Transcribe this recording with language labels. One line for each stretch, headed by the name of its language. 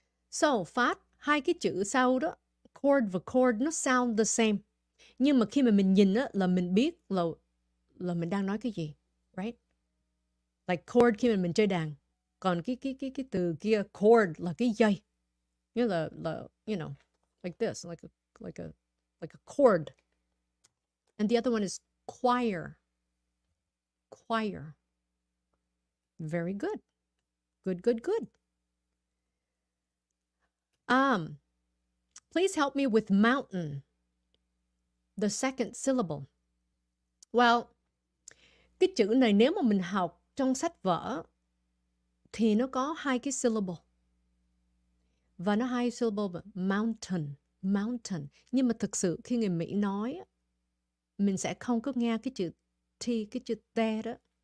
Vietnamese: So, phát hai cái chữ sau đó, chord và chord, nó sound the same. Nhưng mà khi mà mình nhìn á, là mình biết là mình đang nói cái gì, right? Like chord khi mà mình chơi đàn. Còn cái từ kia, chord, là cái dây.
English: Như là, you know, like this, like a chord. And the other one is choir. Choir. Very good. Good, good, good. Please help me with mountain, the second syllable.
Vietnamese: Well, cái chữ này nếu mà mình học trong sách vở thì nó có hai cái syllable. Và nó hai syllable mountain, mountain. Nhưng mà thực sự khi người Mỹ nói mình sẽ không có nghe cái chữ T, cái chữ T đó.